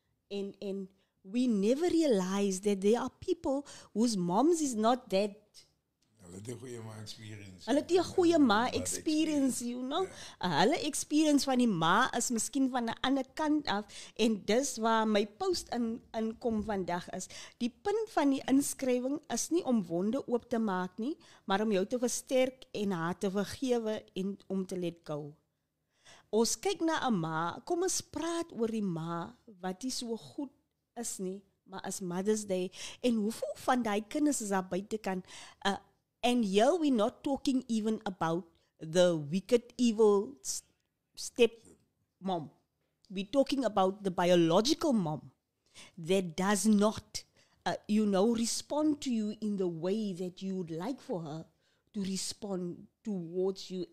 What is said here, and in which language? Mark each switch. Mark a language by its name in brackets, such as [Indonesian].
[English] En we never realize that there are people whose moms is not that. [Afrikaans] Hulle het 'n goeie ma experience. Hulle het 'n goeie ma experience, [English] you know. Yeah. [Afrikaans] Hulle experience van die ma is miskien van 'n ander kant af. En dis waar my post in kom vandag is. Die punt van die inskrywing is nie om wonde oop te maak nie, maar om jou te versterk en haar te vergewe en om te [English] let go. [Afrikaans] Ons kyk na 'n ma, kom ons praat oor die ma wat die so goed is nie, maar is Mother's Day. En hoeveel van die kinders is daar buitekant? [English] And here we're not talking even about the wicked, evil stepmom. We're talking about the biological mom that does not, respond to you in the way that you would like for her to respond towards you.